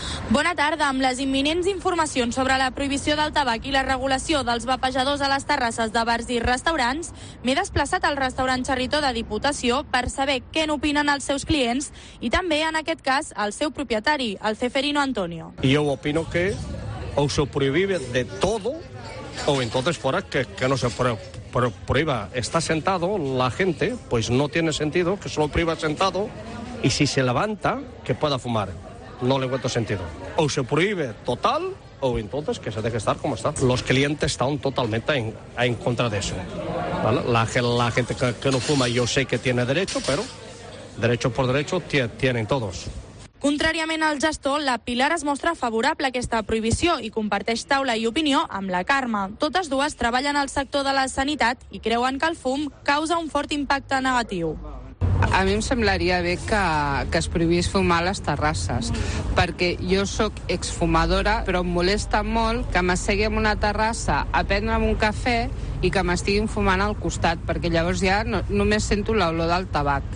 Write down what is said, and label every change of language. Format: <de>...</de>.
<ca>Bona tarda. Amb les imminents informacions sobre la prohibició del tabac i la regulació dels vapejadors a les terrasses de bars i restaurants, m'he desplaçat al restaurant Xerritó de Diputació per saber què n'opinen els seus clients i també, en aquest cas, el seu propietari, el Ceferino Antonio.</ca> <es>Jo opino que o se prohíbe de todo o entonces fuera que no se prohíba. Está sentado la gente, pues no tiene sentido que solo prohíba sentado y si se levanta, que pueda fumar. No le encuentro sentido. O se prohíbe total, o entonces que se deje estar como está. Los clientes están totalmente en contra de eso, ¿vale? La gente que no fuma, yo sé que tiene derecho, pero derecho por derecho tienen todos.</es> <ca>Contràriament al gestor, la Pilar es mostra favorable a aquesta prohibició i comparteix taula i opinió amb la Carme. Totes dues treballen al sector de la sanitat i creuen que el fum causa un fort impacte negatiu. A mi em semblaria bé que es prohibís fumar a les terrasses, perquè jo sóc exfumadora, però em molesta molt que m'assegui en una terrassa a prendre'm un cafè i que m'estiguin fumant al costat, perquè llavors ja només sento l'olor del tabac.</ca>